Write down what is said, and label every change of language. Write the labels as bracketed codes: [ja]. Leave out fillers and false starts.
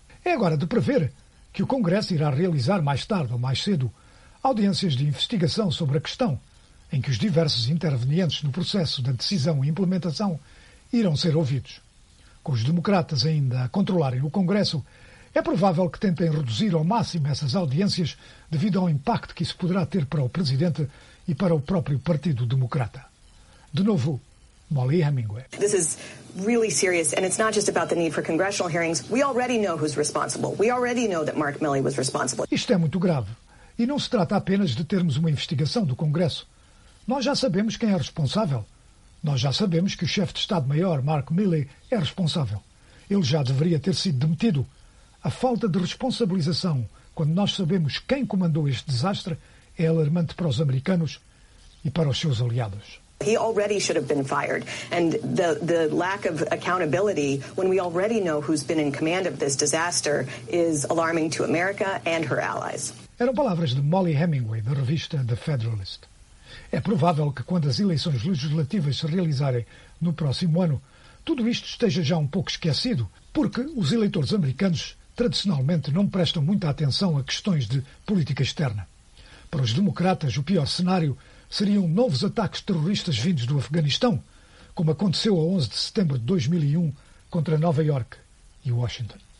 [pt] É agora de prever que o Congresso irá realizar mais tarde ou mais cedo audiências de investigação sobre a questão, em que os diversos intervenientes no processo da decisão e implementação irão ser ouvidos. Com os democratas ainda a controlarem o Congresso, é provável que tentem reduzir ao máximo essas audiências devido ao impacto que isso poderá ter para o presidente e para o próprio Partido Democrata. De novo, Molly Hemingway. [en] This is really serious, and it's not just about the need for congressional hearings. We already know who's responsible. We already know that Mark Milley was responsible. [pt] Isto é muito grave. E não se trata apenas de termos uma investigação do Congresso. Nós já sabemos quem é responsável. Nós já sabemos que o chefe de Estado-Maior, Mark Milley, é responsável. Ele já deveria ter sido demitido. A falta de responsabilização, quando nós sabemos quem comandou este desastre, é alarmante para os americanos e para os seus aliados. [en] He already should have been fired. And the lack of accountability when we already know who's been in command of this disaster is alarming to America and her allies. [pt] Eram palavras de Molly Hemingway, da revista The Federalist. É provável que quando as eleições legislativas se realizarem no próximo ano, tudo isto esteja já um pouco esquecido, porque os eleitores americanos tradicionalmente não prestam muita atenção a questões de política externa. Para os democratas, o pior cenário seriam novos ataques terroristas vindos do Afeganistão, como aconteceu a 11 de setembro de 2001 contra Nova York e Washington.